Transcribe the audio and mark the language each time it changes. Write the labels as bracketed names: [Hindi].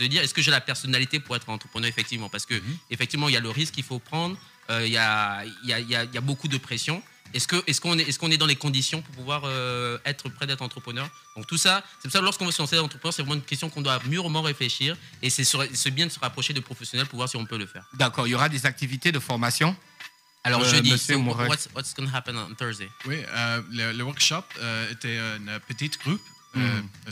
[French] Se dire, est-ce que j'ai la personnalité pour être entrepreneur effectivement? Parce que effectivement, il y a le risque qu'il faut prendre, il y a beaucoup de pression. Est-ce qu'on est dans les conditions pour pouvoir être prêt d'être entrepreneur? Donc tout ça, c'est pour ça que lorsqu'on veut se lancer entrepreneur, c'est vraiment une question qu'on doit mûrement réfléchir et c'est bien de se rapprocher de professionnels pour voir si on peut le faire. D'accord. Il y aura des activités de formation. Alors jeudi, [English] what's going to happen on Thursday? [French] Oui, le workshop était un petit groupe. Mm-hmm.